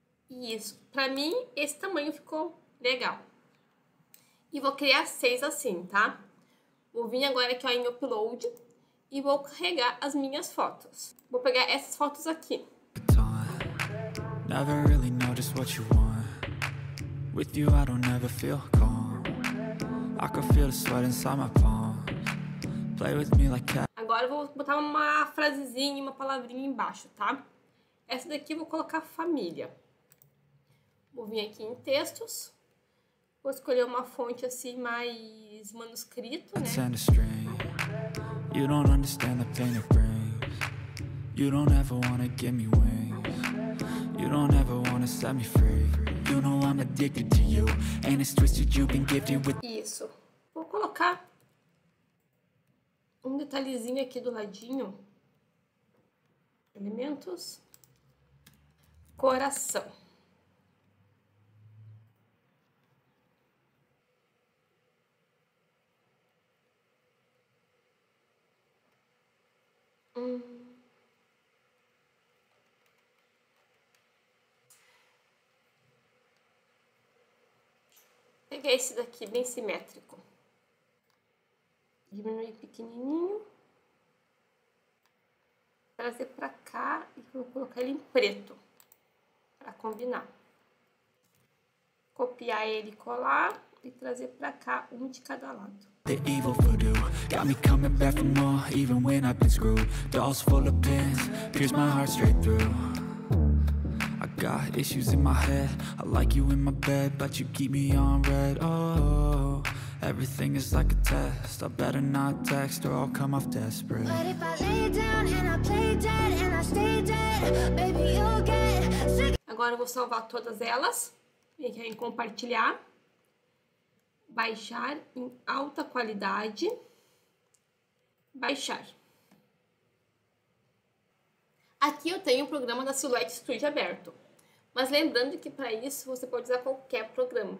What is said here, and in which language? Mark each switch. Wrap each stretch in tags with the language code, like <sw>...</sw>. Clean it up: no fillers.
<pt>Isso. Pra mim, esse tamanho ficou legal. E vou criar 6 assim, tá? Vou vir agora aqui, ó, em upload. E vou carregar as minhas fotos. Vou pegar essas fotos aqui.</pt> <en>Never really know just what you want. With you, I don't ever feel calm. I can feel the sweat inside my palm. Play with me like cat.</en> <pt>Agora eu vou botar uma frasezinha, uma palavrinha embaixo, tá? Essa daqui eu vou colocar família. Vou vir aqui em textos. Vou escolher uma fonte assim, mais manuscrito, né?</pt> <en>Send a string. You don't understand the pain it brings. You don't ever wanna give me wings. You don't ever wanna set me free. You know I'm addicted to you. And it's twisted you've been gifted with.</en> <pt>Isso. Vou colocar um detalhezinho aqui do ladinho. Elementos. Coração. Peguei esse daqui bem simétrico. Diminuir pequenininho. Trazer pra cá e vou colocar ele em preto pra combinar. Copiar ele e colar e trazer pra cá um de cada lado.</pt> <en>The evil voodoo got me coming back for more, even when I've been screwed. Dolls full of pins, pierce my heart straight through. I got issues in my head. I like you in my bed, but you keep me on red. Oh, everything is like a test. I better not text or I'll come off desperate. But if I lay down and I play dead and I stay dead, baby, you'll get sick.</en> <pt>Agora eu vou salvar todas elas. Vem aqui em compartilhar. Baixar em alta qualidade. Baixar. Aqui eu tenho o programa da Silhouette Studio aberto. Mas lembrando que para isso você pode usar qualquer programa.</pt>